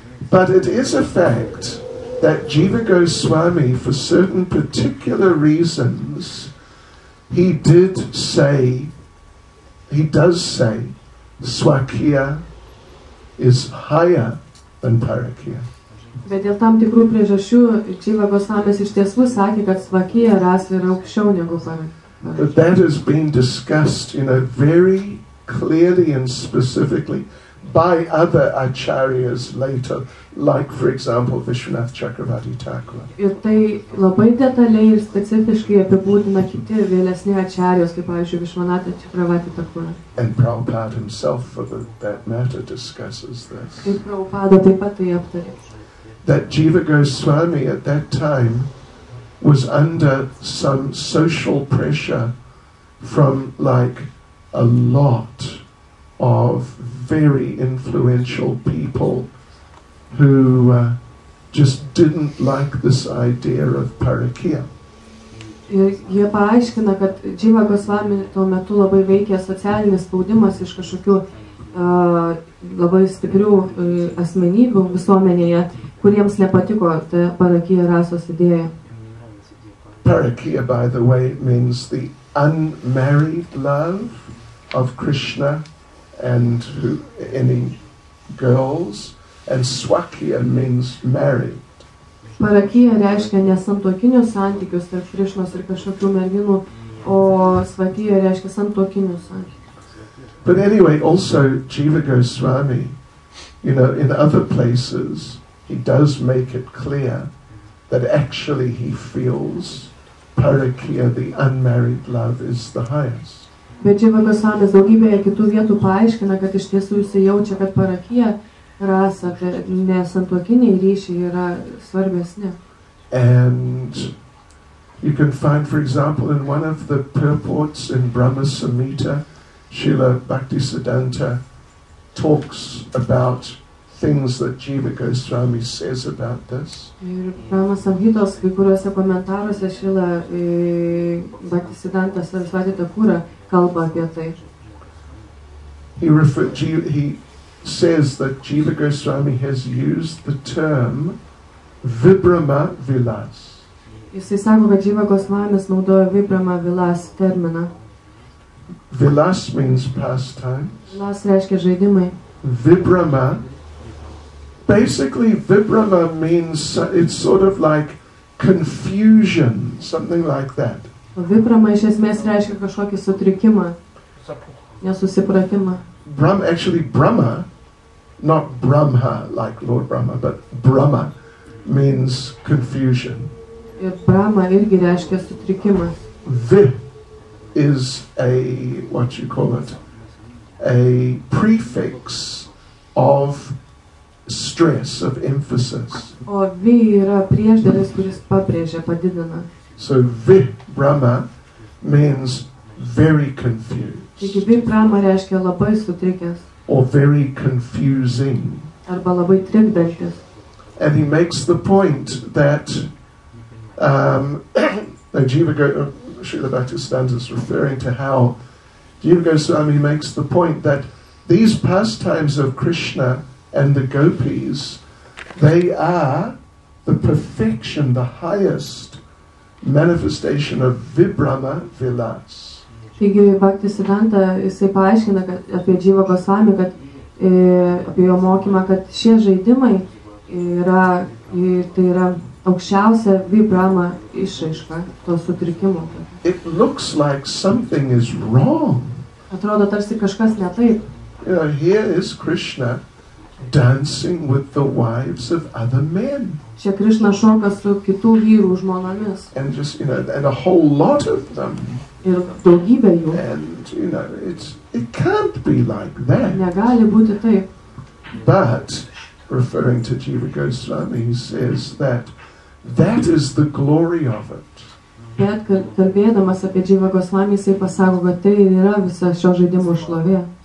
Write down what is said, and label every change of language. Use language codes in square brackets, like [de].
[en] But it is a fact that Jiva Goswami, for certain particular reasons, he does say Swakya is higher than Parakya. [lt] Bet dėl tam tikrų priežasčių Jiva Goswamis iš tiesų sakė, kad Swakya ras yra aukščiau negu Parakya. [en] But that has been discussed, you know, very clearly and specifically by other acharyas later, like, for example, Vishwanath Chakravarti Thakur. [lt] Ir tai labai detaliai ir specifiškai apibūdina kiti vėlesni acharyos, kaip, pavyzdžiui, Vishwanath Chakravarti Thakur. [en] And Prabhupada himself, for that matter, discusses this. [lt] Ir Prabhupada taip pat tai aptarė. [en] That Jiva Goswami at that time was under some social pressure from like a lot of very influential people who just didn't like this idea of parakia. [lt] Jie paaiškina, kad Jiva Goswami tuo metu labai veikė socialinis spaudimas iš kažkokių labai stiprių asmenybių visuomenėje, kuriems nepatiko ta parakia rasos idėja. [en] Parakya, by the way, means the unmarried love of Krishna and any girls, and Swakya means married. [lt] Parakya reiškia nesantokinius santykius tarp Krishnos ir kažkokių merginų, o Swakya reiškia santokinius santykius. [en] But anyway, also Jiva Goswami, you know, in other places, he does make it clear that actually he feels parakya, the unmarried love, is the highest. [lt] Bet Jiva Goswami daugybėje kitų vietų paaiškina, kad iš tiesų jis jaučia, kad parakya rasa, nesantuokiniai ryšiai yra svarbesni. [en] And you can find, for example, in one of the purports in Brahma Samhita, Srila Bhaktisiddhanta talks about things that Jiva Goswami says about this. [lt] Ir Brahma Samhitos kai kuriuose komentaruose Šila Bhaktisiddhanta Sarasvati Thakura kalba apie tai. [en] He says that Jiva Goswami has used the term Vibrama Vilas. [lt] Jis sako, kad Jiva Goswamis naudoja Vibrama Vilas terminą. [en] Vilas means pastime. [lt] Vilas reiškia žaidimai. [en] Vibrama. Basically, Vibrama means, it's sort of like confusion, something like that. [lt] Vibrama iš esmės reiškia kažkokį sutrikimą, nesusipratimą. [en] Brahma, not Brahma, like Lord Brahma, but Brahma means confusion. [lt] Ir Brahma irgi reiškia sutrikimą. [en] Vi is a, what you call it, a prefix of stress, of emphasis. [lt] O vi yra priešdėlis, kuris pabrėžia, padidina. [en] So vi brahma means very confused. [lt] Taigi vi brahma reiškia labai sutrikęs. [en] Or very confusing. [lt] Arba labai trikdantis. [en] And he makes the point that Jiva Goswami, Srila Bhaktisiddhanta is referring to how Jiva Goswami makes the point that these pastimes of Krishna and the gopis, they are the perfection, the highest manifestation of Vibrahma Vilas. [lt] Taigi Bhaktisiddhanta jisai paaiškina apie Jiva Goswami, kad apie jo mokymą, kad šie žaidimai yra, tai yra aukščiausia Vibrahma išraiška to sutrikimo. [en] It looks like something is wrong. [lt] Atrodo tarsi kažkas ne taip. [en] You know, here is Krishna dancing with the wives of other men. [lt] Čia Krishna šoka su kitų vyrų žmonomis. [en] And just, you know, and a whole lot of them. [lt] Ir daugybė jų. [en] And, you know, it can't be like that. [lt] Negali būti taip. [en] But, referring to Jiva Goswami, he says that is the glory of it. [lt] Bet, kalbėdamas apie Jiva Goswami, jisai pasako, kad tai ir yra visa šio žaidimo šlovė.